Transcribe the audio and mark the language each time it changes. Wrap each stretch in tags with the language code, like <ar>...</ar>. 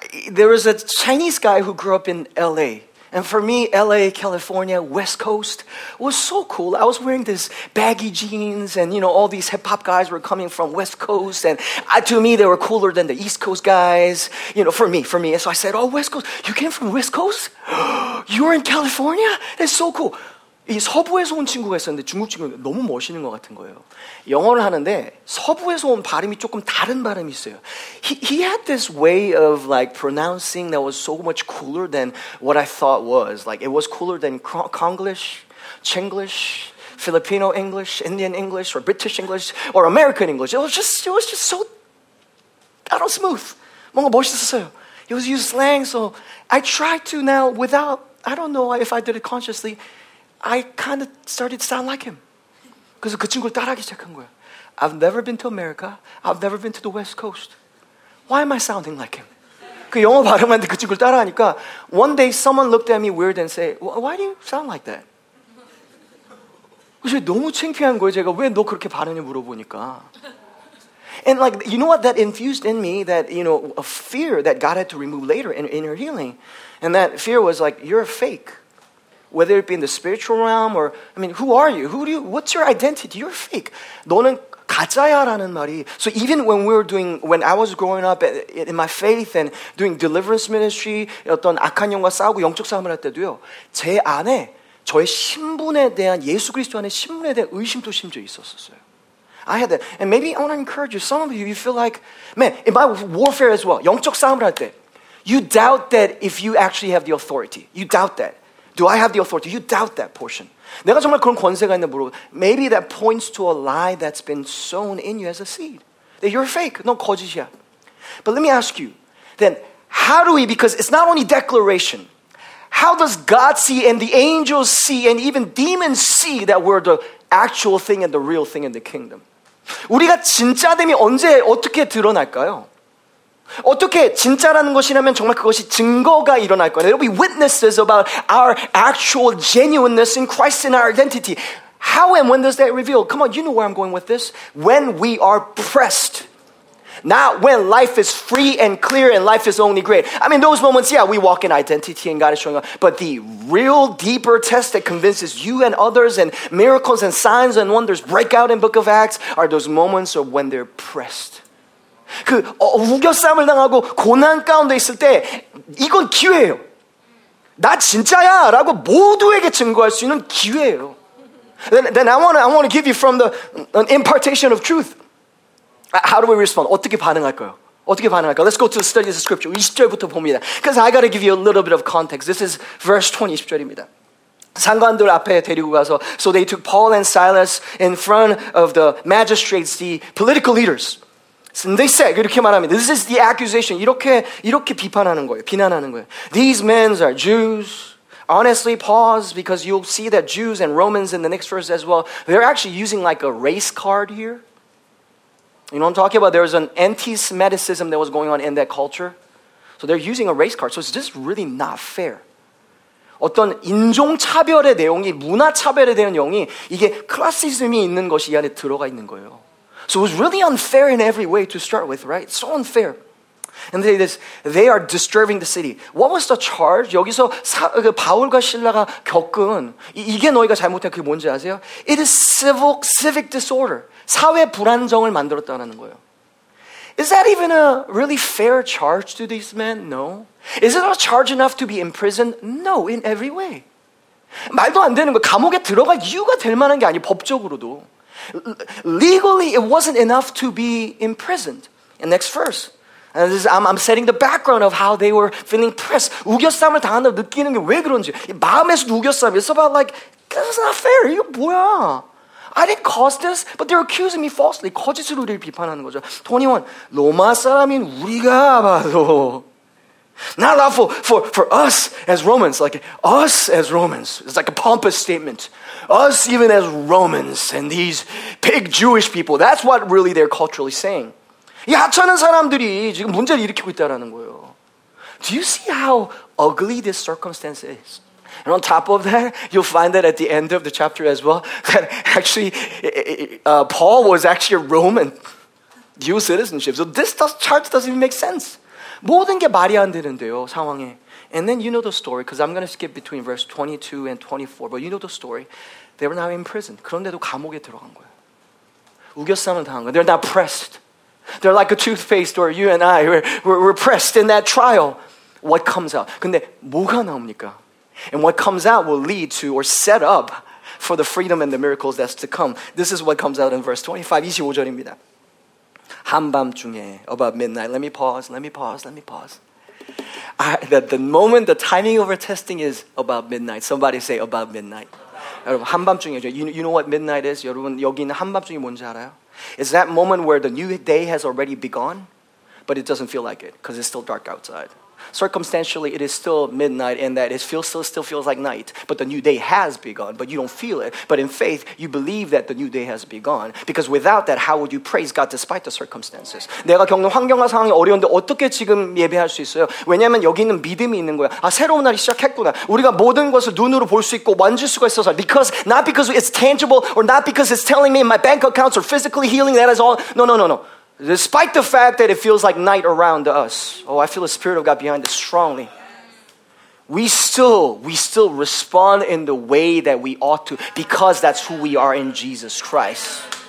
<en>There was a Chinese guy who grew up in LA. And for me, LA, California, West Coast was so cool. I was wearing this baggy jeans and, you know, all these hip-hop guys were coming from West Coast. And to me, they were cooler than the East Coast guys, you know, for me. And so I said, oh, West Coast, you came from West Coast? You were in California? That's so cool.</en> <ko>이 서부에서 온 친구가 있었는데 중국 친구가 너무 멋있는 것 같은 거예요. 영어를 하는데 서부에서 온 발음이 조금 다른 발음이 있어요.</ko> <en>He had this way of like pronouncing that was so much cooler than what I thought was. Like it was cooler than Konglish, Chinglish, Filipino English, Indian English, or British English, or American English. It was just so, I don't know, smooth.</en> <ko>뭔가 멋있었어요.</ko> <en>He was using slang, so I tried to now without, I don't know if I did it consciously, I kind of started to sound like him.</en> <ko>그래서 그 친구를 따라하기 시작한 거야.</ko> <en>I've never been to America. I've never been to the West Coast. Why am I sounding like him?</en> <ko>그 영어 발음하는데 그 친구를 따라하니까</ko> <en>one day someone looked at me weird and said, why do you sound like that?</en> <ko>그래서 너무 창피한 거예요. 제가 왜 너 그렇게 발음이 물어보니까.</ko> <en>And like, you know what that infused in me? That, you know, a fear that God had to remove later in her healing. And that fear was like, you're a fake. Whether it be in the spiritual realm or, I mean, who are you? Who do you, what's your identity? You're fake.</en> <ko>너는 가짜야 라는 말이.</ko> <en>So even when we were doing, when I was growing up in my faith and doing deliverance ministry,</en> <ko>어떤 악한 영과 싸우고 영적 싸움을 할 때도요, 제 안에 저의 신분에 대한, 예수 그리스도 안에 신분에 대한 의심도 심지어 있었었어요.</ko> <en>I had that. And maybe I want to encourage you. Some of you, you feel like, man, in my warfare as well,</en> <ko>영적 싸움을 할 때,</ko> <en>you doubt that if you actually have the authority. You doubt that. Do I have the authority? You doubt that portion.</en> <ko>내가 정말 그런 권세가 있는 물어.</ko> <en>Maybe that points to a lie that's been sown in you as a seed. That you're fake.</en> <ko>넌 거짓이야.</ko> <en>But let me ask you, then how do we, because it's not only declaration, how does God see and the angels see and even demons see that we're the actual thing and the real thing in the kingdom?</en> <ko>우리가 진짜 됨이 언제 어떻게 드러날까요? 어떻게 진짜라는 것이라면 정말 그것이 증거가 일어날 거예요.</ko> <en>There will be witnesses about our actual genuineness in Christ and our identity. How and when does that reveal? Come on, you know where I'm going with this. When we are pressed. Not when life is free and clear and life is only great. I mean, those moments, yeah, we walk in identity and God is showing up. But the real deeper test that convinces you and others and miracles and signs and wonders break out in Book of Acts are those moments of when they're pressed.</en> <ko>그 우겨쌈을 당하고 고난 가운데 있을 때 이건 기회예요. 나 진짜야 라고 모두에게 증거할 수 있는 기회예요.</ko> <en>Then I want to give you from an impartation of truth. How do we respond?</en> <ko>어떻게 반응할까요? 어떻게 반응할까요?</ko> <en>Let's go to the study of the scripture.</en> <ko>20절부터 봅니다.</ko> <en>Because I got to give you a little bit of context. This is verse 20,</en> <ko>20절입니다. 상관들 앞에 데리고 가서</ko> <en>So they took Paul and Silas in front of the magistrates, the political leaders. And they said,</en> <ko>이렇게 말합니다.</ko> <en>This is the accusation.</en> <ko>이렇게 비판하는 거예요. 비난하는 거예요.</ko> <en>These men are Jews. Honestly, pause, because you'll see that Jews and Romans in the next verse as well, they're actually using like a race card here. You know what I'm talking about? There's an anti-Semiticism that was going on in that culture. So they're using a race card. So it's just really not fair.</en> <ko>어떤 인종차별의 내용이, 문화차별에 대한 내용이, 이게 클래시즘이 있는 것이 이 안에 들어가 있는 거예요.</ko> <en>So it was really unfair in every way to start with, right? So unfair. And they say this, they are disturbing the city. What was the charge?</en> <ko>여기서 바울과 실라가 겪은, 이게 너희가 잘못한 그게 뭔지 아세요?</ko> <en>It is civic disorder.</en> <ko>사회 불안정을 만들었다는 거예요.</ko> <en>Is that even a really fair charge to these men? No. Is it a charge enough to be imprisoned? No, in every way.</en> <ko>말도 안 되는 거예요. 감옥에 들어갈 이유가 될 만한 게 아니에요, 법적으로도.</ko> <en>Legally, it wasn't enough to be imprisoned. And next verse. And this is, I'm setting the background of how they were feeling pressed.</en> <ko>우겨쌈을 당한다고 느끼는 게 왜 그런지. 마음에서 우겨쌈.</ko> <en>It's about like, this is not fair.</en> <ko>이거 뭐야?</ko> <en>I didn't cause this, but they're accusing me falsely.</en> <ko>거짓으로 우리를 비판하는 거죠.</ko> <en>21.</en> <ko>로마 사람인 우리가 봐도.</ko> <en>Not lawful for us as Romans. Like, us as Romans. It's like a pompous statement. Us even as Romans and these big Jewish people. That's what really they're culturally saying.</en> <ko>이 하찮은 사람들이 지금 문제를 일으키고 있다라는 거예요.</ko> <en>Do you see how ugly this circumstance is? And on top of that, you'll find that at the end of the chapter as well, that actually, Paul was actually a Roman. Dual citizenship. So this chart doesn't even make sense.</en> <ko>모든 게 말이 안 되는데요, 상황에.</ko> <en>And then you know the story, because I'm going to skip between verse 22 and 24, but you know the story. They were now in prison.</en> <ko>그런데도 감옥에 들어간 거예요. 우겨쌈을 당한 거예요.</ko> <en>They're now pressed. They're like a toothpaste, or you and I, we're pressed in that trial. What comes out?</en> <ko>근데 뭐가 나옵니까?</ko> <en>And what comes out will lead to, or set up, for the freedom and the miracles that's to come. This is what comes out in verse 25,</en> <ko>25절입니다. 한밤중에,</ko> <en>about midnight. Let me pause. The moment, the timing of our testing is about midnight. Somebody say about midnight.</en> <ko>여러분, 한밤중에,</ko> <en>you know what midnight is?</en> <ko>여러분, 여기 있는 한밤중에 뭔지 알아요?</ko> <en>It's that moment where the new day has already begun, but it doesn't feel like it because it's still dark outside. Circumstantially, it is still midnight in that it still feels like night, but the new day has begun, but you don't feel it. But in faith, you believe that the new day has begun because without that, how would you praise God despite the circumstances?</en> <ko>내가 겪는 환경과 상황이 어려운데 어떻게 지금 예배할 수 있어요? 왜냐하면 여기는 믿음이 있는 거야. 아, 새로운 날이 시작했구나. 우리가 모든 것을 눈으로 볼 수 있고 만질 수가 있어서.</ko> <en>Because, not because it's tangible or not because it's telling me my bank accounts are physically healing, that is all. No. Despite the fact that it feels like night around us, oh, I feel the Spirit of God behind us strongly. We still respond in the way that we ought to because that's who we are in Jesus Christ.</en>